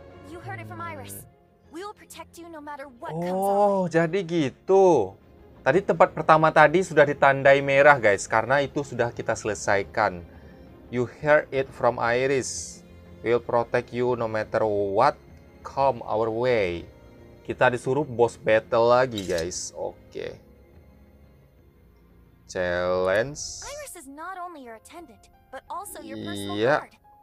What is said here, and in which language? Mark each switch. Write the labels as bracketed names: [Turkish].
[English] You heard it from Iris. We will protect you no matter what comes. [Indonesian] Oh, jadi gitu. Tadi tempat pertama tadi sudah ditandai merah, guys, karena itu sudah kita selesaikan. [English] You heard it from Iris. We'll protect you no matter what come our way. [Indonesian] Kita disuruh boss battle lagi, guys. Oke. [English] Challenge. Iris is not only your attendant, but also your personal guard.